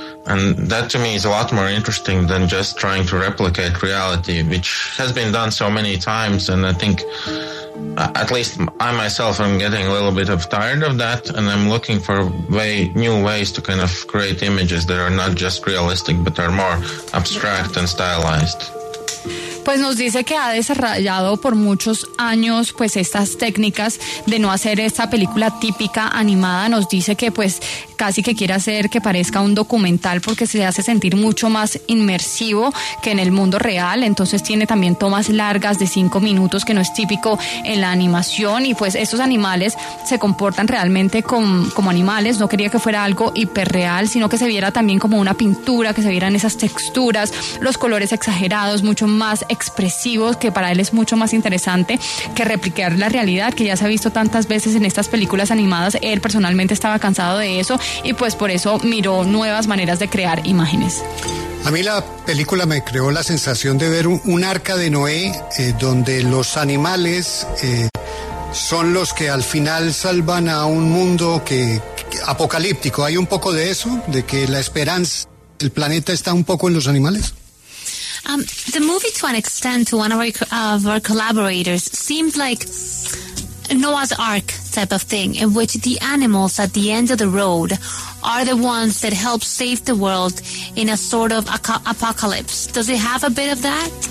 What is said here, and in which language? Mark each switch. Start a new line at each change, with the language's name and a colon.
English: And that, to me, is a lot more interesting than just trying to replicate reality, which has been done so many times, and I think... at least I myself am getting a little bit of tired of that, and I'm looking for new ways to kind of create images that are not just realistic but are more abstract and stylized.
Spanish: Pues nos dice que ha desarrollado por muchos años pues estas técnicas de no hacer esta película típica animada. Nos dice que pues casi que quiere hacer que parezca un documental porque se hace sentir mucho más inmersivo que en el mundo real. Entonces tiene también tomas largas de 5 minutos que no es típico en la animación, y pues estos animales se comportan realmente como animales. No quería que fuera algo hiperreal, sino que se viera también como una pintura, que se vieran esas texturas, los colores exagerados, mucho más expresivos, que para él es mucho más interesante que replicar la realidad, que ya se ha visto tantas veces en estas películas animadas. Él personalmente estaba cansado de eso y pues por eso miró nuevas maneras de crear imágenes. A mí la película me creó la sensación de ver un arca de Noé donde los animales son los que al final salvan a un mundo que apocalíptico. ¿Hay un poco de eso? ¿De que la esperanza, el planeta está un poco en los animales?
English: The movie, to an extent, to one of our collaborators, seemed like Noah's Ark type of thing, in which the animals at the end of the road are the ones that help save the world in a sort of apocalypse. Does it have a bit of that?